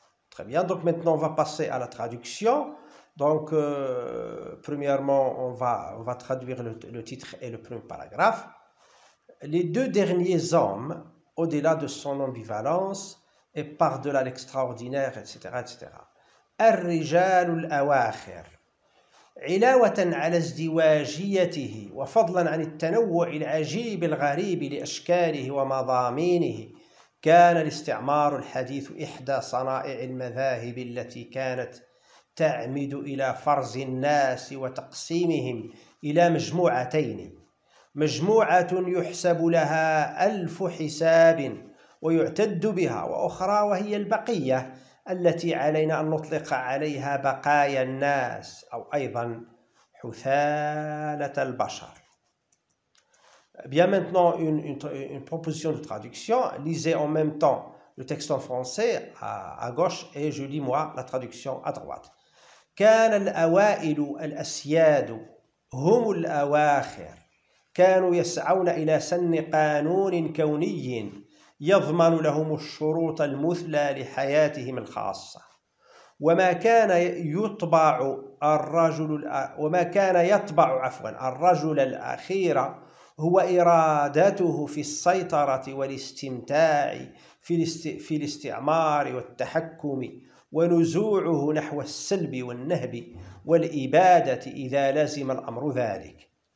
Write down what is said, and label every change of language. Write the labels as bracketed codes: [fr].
[fr] Très bien, donc maintenant on va passer à la traduction. Donc premièrement on va traduire le titre et le premier paragraphe. Les deux derniers hommes, au-delà de son ambivalence et par-delà l'extraordinaire, etc., etc. [ar] الرجال الأواخر علاوة على ازدواجيته وفضلا عن التنوع العجيب الغريب لأشكاله ومضامينه كان الاستعمار الحديث إحدى صنائع المذاهب التي كانت تعمد إلى فرز الناس وتقسيمهم إلى مجموعتين مجموعة يحسب لها ألف حساب ويعتد بها وأخرى وهي البقية التي علينا أن نطلق عليها بقايا الناس أو أيضا حثالة البشر. [fr] Bien maintenant une proposition de traduction. Lisez en même temps le texte en français à gauche et je lis moi la traduction à droite. [ar] كان الأوائل الأسياد هم الأواخر كانوا يسعون إلى سن قانون كوني يضمن لهم الشروط المثلى لحياتهم الخاصة وما كان يطبع الرجل وما كان يطبع عفوا الرجل الأخير هو إرادته في السيطرة والاستمتاع في الاستعمار والتحكم ونزوعه نحو السلب والنهب والإبادة إذا لزم الأمر ذلك